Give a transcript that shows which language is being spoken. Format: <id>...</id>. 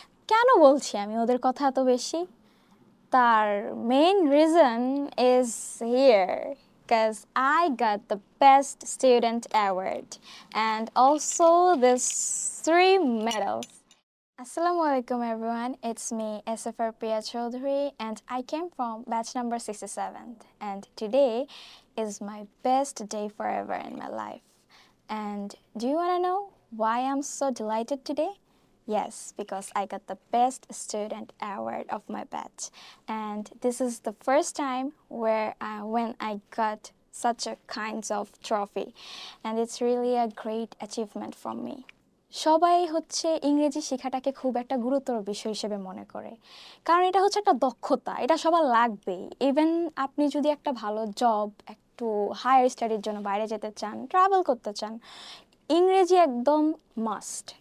<bn>কেন বলছি আমি ওদের কথা এত বেশি, তার</bn> <en>Main reason is here, because I got the best student award and also this 3 medals.</en> <ar>আসসালামু আলাইকুম</ar> <en>Everyone, it's me SFR Priya Chowdhury and I came from batch number 67 and today is my best day for ever in my life. And do you want to know why I am so delighted today? Yes, because I got the best student award of my batch, and this is the first time when I got such a kinds of trophy, and it's really a great achievement from me.</en> <bn>সবাই হচ্ছে ইংরেজি শেখাটাকে খুব একটা গুরুতর বিষয় হিসেবে মনে করে, কারণ এটা হচ্ছে একটা দক্ষতা, এটা সবার লাগবেই। ইভেন আপনি যদি একটা ভালো জব, একটু হায়ার স্টাডির জন্য বাইরে যেতে চান, ট্রাভেল করতে চান, ইংরেজি একদম মাস্ট।</bn>